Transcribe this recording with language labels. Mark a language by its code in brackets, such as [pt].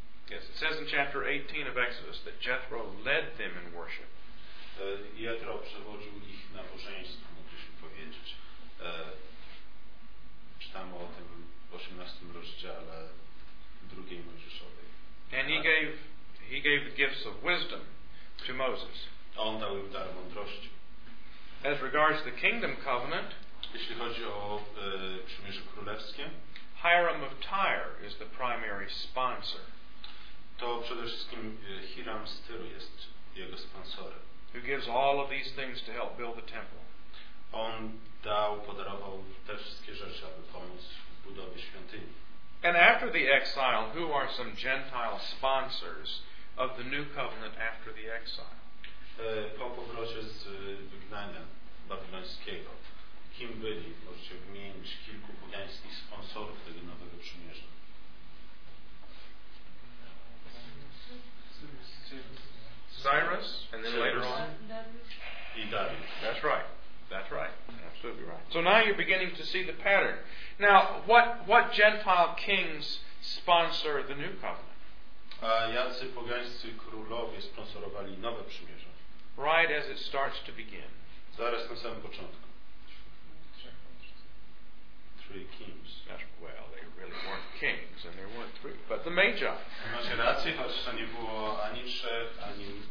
[en] Yes, it says in chapter 18 of Exodus that Jethro led them in worship. [pl] Jethro przewodził ich na bożeństwo, moglibyśmy powiedzieć. Czytamy o tym w 18 rozdziale drugiej Mojżeszowej. [en] And he gave the gifts of wisdom to Moses. [pl] On dał im dar mądrości. [en] As regards the kingdom covenant, [pl] jeśli chodzi o przymierze królewskie, [en] Hiram of Tyre is the primary sponsor. [pl] to przede wszystkim Hiram z Tyru jest jego sponsorem. [en] Who gives all of these things to help build the temple. [pl] On dał, podarował te wszystkie rzeczy, aby pomóc w budowie świątyni. [en] And after the exile, who are some Gentile sponsors of the new covenant after the exile? [pl] Po powrocie z wygnania babilońskiego, kim byli, możecie wymienić kilku pogańskich sponsorów tego nowego przymierza? [en] Cyrus, and then later on? That's right. That's right. Absolutely right. So now you're beginning to see the pattern. Now, what Gentile kings sponsor the new covenant? [pl] Jacy pogańscy królowie sponsorowali nowe przymierze? [en] Right as it starts to begin. [pl] Zaraz na samym początku. [en] Three kings. That's, well, they really weren't kings, and there weren't three, but the Magi. [pl] Macie rację, chociaż to nie było ani trzech, ani